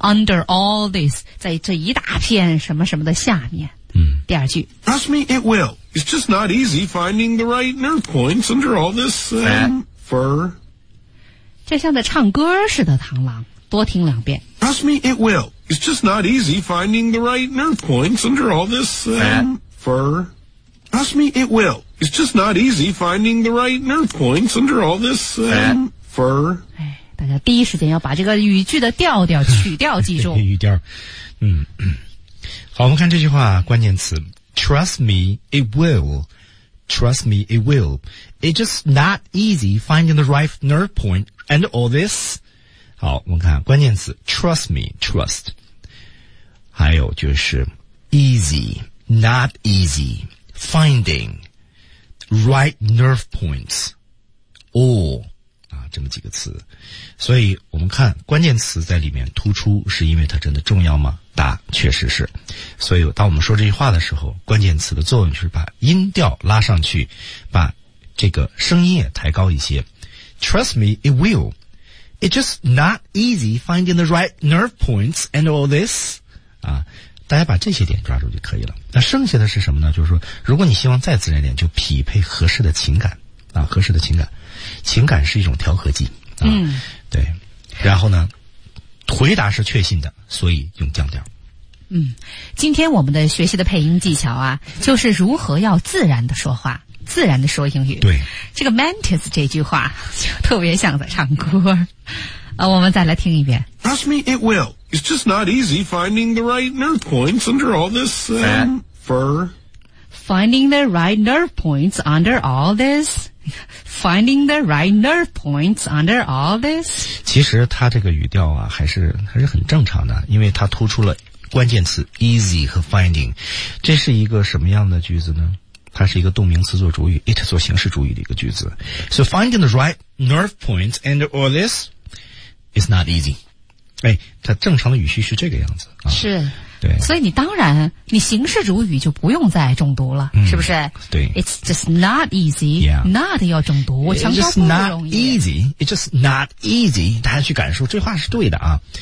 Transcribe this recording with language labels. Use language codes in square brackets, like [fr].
[en] Under all this， [zh] 在这一大片什么什么的下面。嗯。第二句。 [en] Trust me, it will. It's just not easy finding the right nerve points under all this fur。 [zh] 这像在唱歌似的，螳螂，多听两遍。 [en] Trust me, it will. It's just not easy finding the right nerve points under all this fur. Trust me, it will. It's just not easy finding the right nerve points under all this fur. [zh] 哎，大家第一时间要把这个语句的调调曲调记住。语调，嗯，好，我们看这句话关键词 ： [en] Trust me, it will. Trust me, it will. It's just not easy finding the right nerve point and all this. [zh] 好，我们看关键词 [en] trust me trust， [zh] 还有就是 [en] easy not easy finding right nerve points all [zh] 啊，这么几个词。所以我们看关键词在里面突出，是因为它真的重要吗？答，确实是。所以当我们说这句话的时候，关键词的作用就是把音调拉上去，把这个声音也抬高一些。 [en] Trust me, it will. It's just not easy finding the right nerve points and all this. [zh] 啊，大家把这些点抓住就可以了。那剩下的是什么呢？就是说，如果你希望再自然点，就匹配合适的情感啊，合适的情感。情感是一种调和剂啊，嗯，对。然后呢，回答是确信的，所以用降调。嗯，今天我们的学习的配音技巧啊，就是如何要自然的说话，自然的说英语。对，这个 mantis 这句话就特别像在唱歌。我们再来听一遍。 [en] Trust me, it will. It's just not easy finding the right nerve points under all this fur. Finding the right nerve points under all this. Finding the right nerve points under all this. [zh] 其实他这个语调啊还是很正常的，因为他突出了关键词 easy 和 finding. 这是一个什么样的句子呢？它是一个动名词做主语， it 做形式主语的一个句子。 [en] So finding the right nerve points under all this is not easy. [zh] 哎，它正常的语序是这个样子、啊、是，对，所以你当然你形式主语就不用再重读了、嗯、是不是？对， [en] It's just not easy、 yeah. [zh] Not 要重读，我强调不容易。 [en] It's just not easy， [zh] 大家去感受这话是对的啊。